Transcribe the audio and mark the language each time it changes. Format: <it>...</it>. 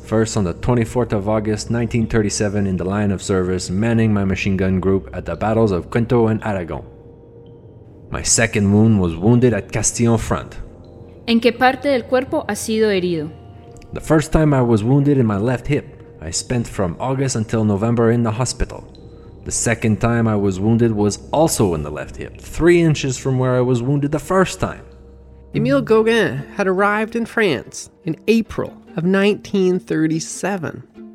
<en>First on the 24th of August 1937 in the line of service manning my machine gun group at the battles of Quinto and Aragón. My second wound was wounded at Castillon front.</en> <es>¿En qué parte del cuerpo has sido herido?</es> <en>The first time I was wounded in my left hip. I spent from August until November in the hospital. The second time I was wounded was also in the left hip, 3 inches from where I was wounded the first time. Emile Goguen had arrived in France in April of 1937.</en>